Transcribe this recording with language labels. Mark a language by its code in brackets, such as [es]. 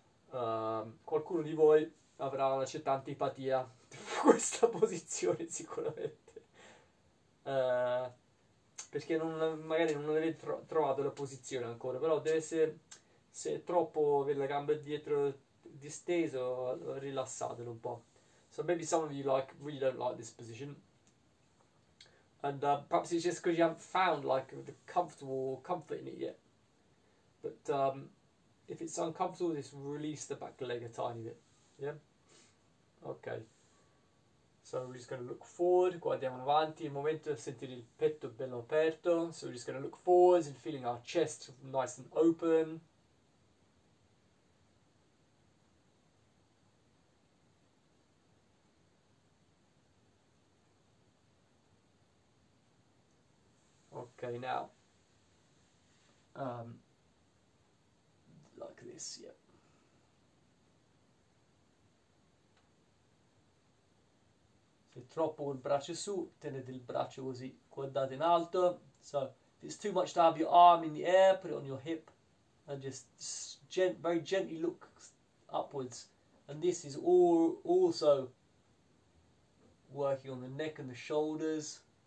[it] Qualcuno di voi avrà una certa antipatia per questa posizione, sicuramente. Perché magari non avete trovato la posizione ancora, però deve essere, se è troppo avere la gamba dietro disteso, rilassatelo un po'. [en] So maybe some of you really don't like this position. And perhaps it's just because you haven't found the comfortable comfort in it yet. But if it's uncomfortable, just release the back leg a tiny bit. Yeah? Okay. So we're just going to look forward. [it] Guardiamo avanti. Il momento di sentire il petto bello aperto. [en] So we're just going to look forward and feeling our chest nice and open. Okay, now, like this, yeah. [it] Se troppo il braccio su, tenete il braccio così, guardate in alto. [en] So, if it's too much to have your arm in the air, put it on your hip, and just very gently look upwards. And this is also working on the neck and the shoulders.